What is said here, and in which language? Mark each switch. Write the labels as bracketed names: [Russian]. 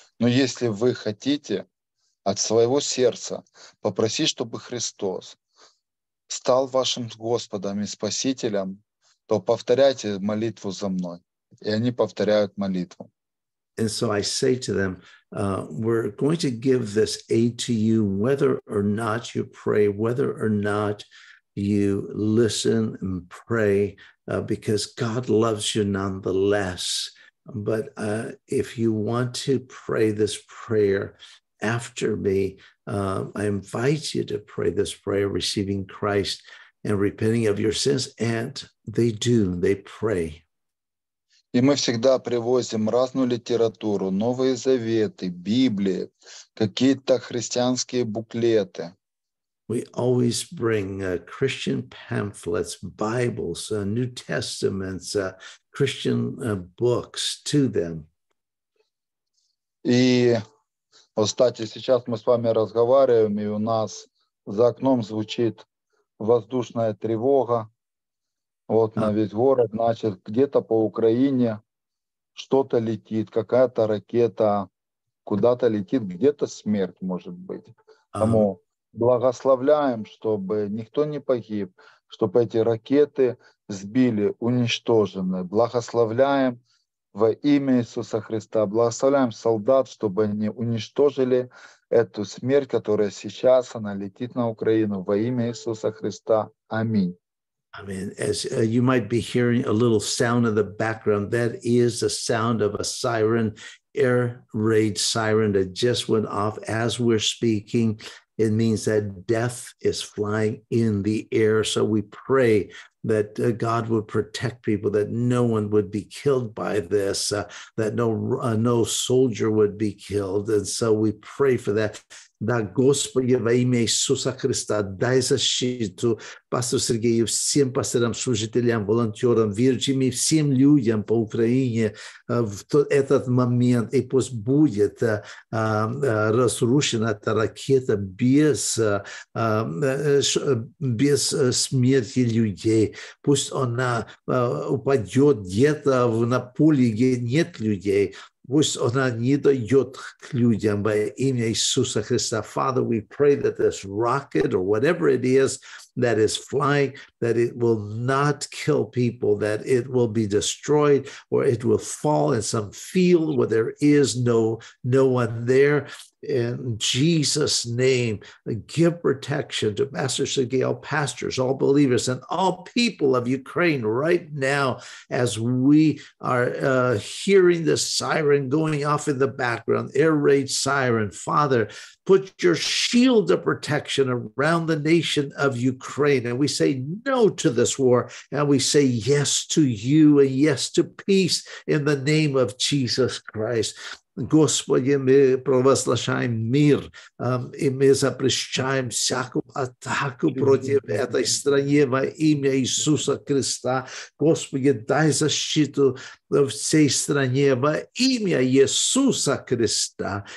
[Russian] Но если вы хотите от своего сердца попросить, чтобы Христос стал вашим Господом и Спасителем, то повторяйте молитву за мной. И они повторяют молитву. [English] And so I say to them, we're going to give this aid to you, whether or not you pray, whether or not you listen and pray, because God loves you nonetheless. But if you want to pray this prayer after me, I invite you to pray this prayer, receiving Christ and repenting of your sins. And they do, they pray. [Russian] И мы всегда привозим разную литературу, Новые Заветы, Библии, какие-то христианские буклеты. [English] We always bring Christian pamphlets, Bibles, New Testaments, Christian books to them. [Russian] И, кстати, сейчас мы с вами разговариваем, и у нас за окном звучит воздушная тревога. Вот на весь город, значит, где-то по Украине что-то летит, какая-то ракета куда-то летит, где-то смерть может быть. Поэтому благословляем, чтобы никто не погиб, чтобы эти ракеты сбили, уничтожены. Благословляем во имя Иисуса Христа. Благословляем солдат, чтобы они уничтожили эту смерть, которая сейчас она летит на Украину. Во имя Иисуса Христа. Аминь. [English] I mean, as you might be hearing a little sound in the background, that is the sound of a siren, air raid siren that just went off as we're speaking. It means that death is flying in the air. So we pray that God would protect people, that no one would be killed by this, that no soldier would be killed. And so we pray for that. [Russian] Да, Господи, во имя Иисуса Христа, дай защиту пастору Сергею, всем пасторам, служителям, волонтерам, верующим и всем людям по Украине в этот момент. И пусть будет разрушена эта ракета без смерти людей. Пусть она упадет где-то на поле, где нет людей. Пусть она не дойдет к людям во имя Иисуса Христа. [English] Father, we pray that this rocket or whatever it is that is flying, that it will not kill people, that it will be destroyed or it will fall in some field where there is no one there. In Jesus' name, give protection to Pastor Sergey, all pastors, all believers, and all people of Ukraine right now as we are hearing the siren going off in the background, air raid siren. Father, put your shield of protection around the nation of Ukraine. And we say no to this war, and we say yes to you and yes to peace in the name of Jesus Christ. [Russian] Господи, мы провозглашаем мир, и мы запрещаем всякую атаку против этой страны во имя Иисуса Христа. Господи, дай защиту всей стране во имя Иисуса Христа.